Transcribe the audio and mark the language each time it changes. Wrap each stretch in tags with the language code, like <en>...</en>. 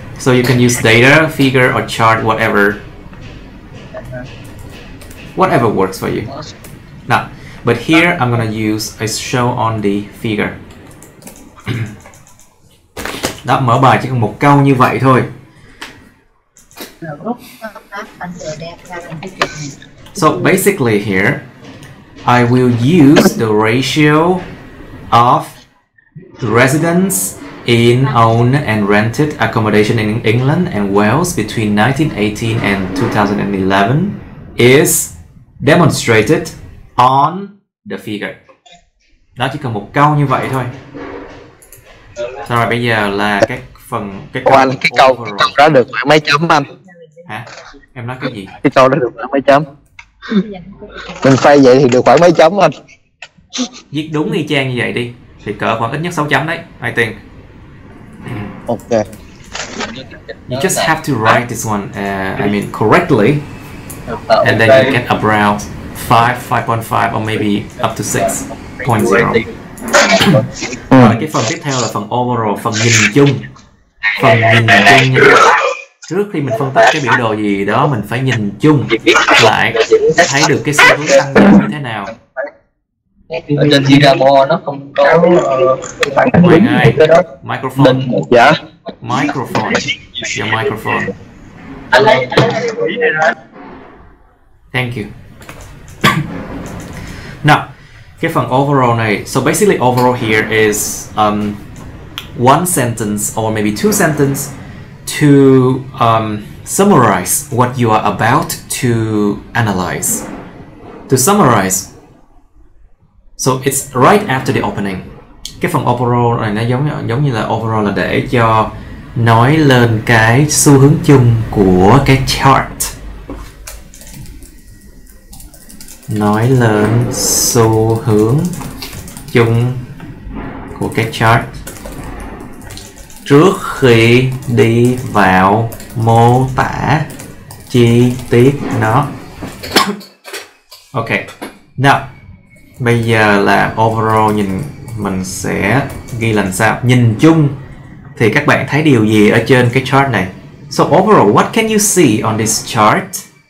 <en>So you can use data, figure or chart, whatever. Whatever works for you. Now, but here I'm gonna use a show on the figure.</en> <vi>Đó, mở bài chỉ cần một câu như vậy thôi.</vi> <en>So basically here, I will use the ratio of residents in owned and rented accommodation in England and Wales between 1918 and 2011 is demonstrated on the figure.</en> <vi>Đó chỉ cần một câu như vậy thôi. Sau rồi bây giờ là cái phần cái câu đó được khoảng mấy chấm anh? Hả? Em nói cái gì? Cái câu đó được khoảng mấy chấm? Mình phay vậy thì được khoảng mấy chấm anh? Viết đúng y chang như vậy đi thì cỡ khoảng ít nhất 6 chấm đấy,</vi> <en>I think. Ok. You just have to write this one correctly and then you get around 5.5 or maybe up to 6.0.</en> <vi>Rồi cái phần tiếp theo là phần overall, phần nhìn chung. Phần nhìn chung nha. Trước khi mình phân tích cái biểu đồ gì đó, mình phải nhìn chung lại, thấy được cái xu hướng tăng giảm như thế nào. Ở trên Singapore nó không có mày ngay, microphone. Dạ.</vi> <en>Microphone. Your microphone. Thank you. Now,</en> <vi>cái phần overall này,</vi> <en>so basically overall here is one sentence or maybe two sentences to summarize what you are about to analyze. To summarize, so it's right after the opening.</en> <vi>Cái phần overall này nó giống như là overall là để cho nói lên cái xu hướng chung của cái chart. Nói lên xu hướng chung của cái chart trước khi đi vào mô tả chi tiết nó. Ok, now bây giờ là overall nhìn mình sẽ ghi làm sao. Nhìn chung thì các bạn thấy điều gì ở trên cái chart này?</vi> <en>So overall, what can you see on this chart?</en>